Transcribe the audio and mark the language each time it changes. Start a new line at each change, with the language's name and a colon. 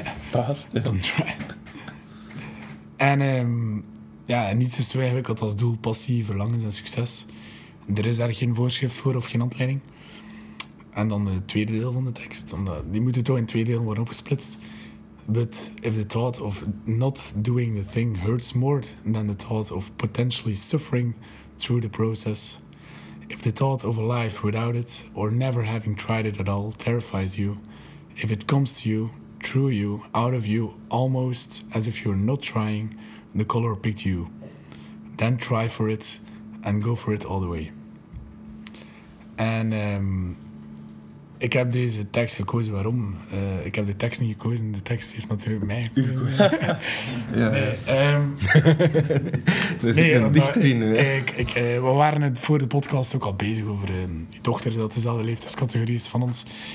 English: Pas. Don't try.
Dutch: En niets is te ingewikkeld als doel, passie, verlangens en succes. Er is daar geen voorschrift voor of geen handleiding. En dan het tweede deel van de tekst, omdat die moeten toch in twee delen worden opgesplitst.
English: But if the thought of not doing the thing hurts more than the thought of potentially suffering through the process, if the thought of a life without it or never having tried it at all terrifies you, if it comes to you, through you, out of you, almost as if you're not trying, the color picked you, then try for it and go for it all the way.
Dutch: And ik heb deze tekst gekozen. Waarom? Ik heb de tekst niet gekozen. De tekst heeft natuurlijk mij gekozen. Ja, ja. Er zit een dichter in. We waren het voor de podcast ook al bezig over je dochter, dat dezelfde leeftijdscategorie is van ons.